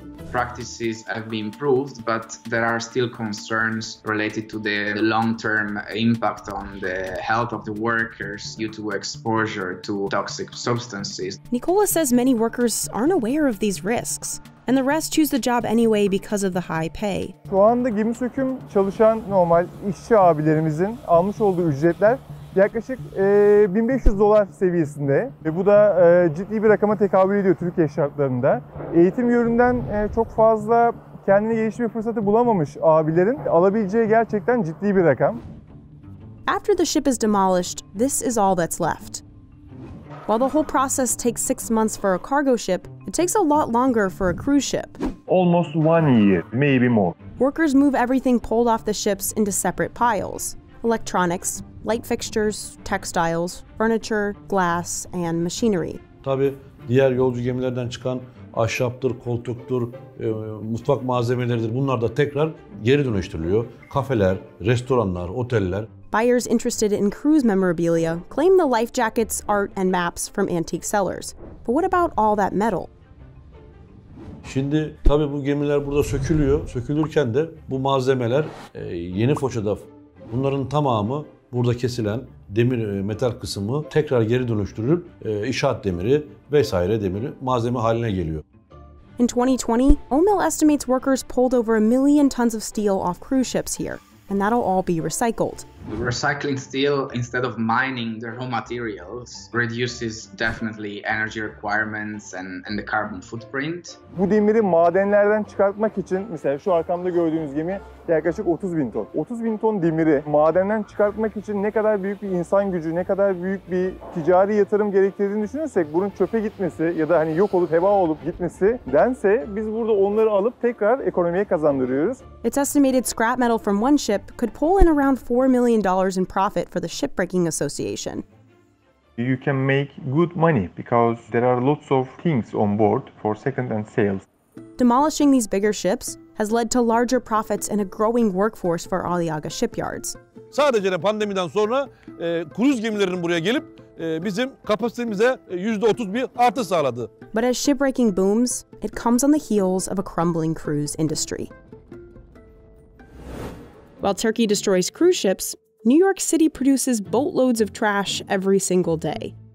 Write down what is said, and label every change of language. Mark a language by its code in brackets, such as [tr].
[en] Practices have been improved, but there are still concerns related to the long-term impact on the health of the workers due to exposure to toxic substances. Nicola says many workers aren't aware of these risks, and the rest choose the job anyway because of the high pay. [tr] Şu anda gemi söküm çalışan normal işçi abilerimizin almış olduğu ücretler yaklaşık $1,500 seviyesinde ve bu da ciddi bir rakama tekabül ediyor Türkiye şartlarında. Eğitim yönünden çok fazla kendini gelişme fırsatı bulamamış abilerin alabileceği gerçekten ciddi bir rakam. [en] After the ship is demolished, this is all that's left. While the whole process takes 6 months for a cargo ship, it takes a lot longer for a cruise ship. Almost 1 year, maybe more. Workers move everything pulled off the ships into separate piles. Electronics, light fixtures, textiles, furniture, glass, and machinery. [tr] Tabii diğer yolcu gemilerden çıkan ahşaptır, koltuktur, mutfak malzemeleridir. Bunlar da tekrar geri dönüştürülüyor. Kafeler, restoranlar, oteller. [en] Buyers interested in cruise memorabilia claim the life jackets, art, and maps from antique sellers. But what about all that metal? [tr] Şimdi tabii bu gemiler burada sökülüyor. Sökülürken de bu malzemeler yeni foçada. Bunların tamamı burada kesilen demir metal kısmı tekrar geri dönüştürülüp inşaat demiri vesaire demiri malzeme haline geliyor. [en] In 2020, OMIL estimates workers pulled over a million tons of steel off cruise ships here, and that'll all be recycled. Recycling steel instead of mining the raw materials reduces definitely energy requirements and the carbon footprint. [tr] Bu demiri madenlerden çıkartmak için, mesela şu arkamda gördüğünüz gemi yaklaşık 30.000 ton. 30.000 ton demiri madenden çıkartmak için ne kadar büyük bir insan gücü, ne kadar büyük bir ticari yatırım gerektirdiğini düşünürsek, bunun çöpe gitmesi ya da hani yok olup heba olup gitmesidense, biz burada onları alıp tekrar ekonomiye kazandırıyoruz. [en] It's estimated scrap metal from one ship could pull in around 4 million $2 million in profit for the Shipbreaking Association. You can make good money because there are lots of things on board for second-hand sales. Demolishing these bigger ships has led to larger profits and a growing workforce for Aliaga shipyards. [tr] Sadece de pandemiden sonra kruz gemilerinin buraya gelip bizim kapasitemize %30 bir artış sağladı. [en] But as shipbreaking booms, it comes on the heels of a crumbling cruise industry. While Turkey destroys cruise ships, New York City produces boatloads of trash every single day.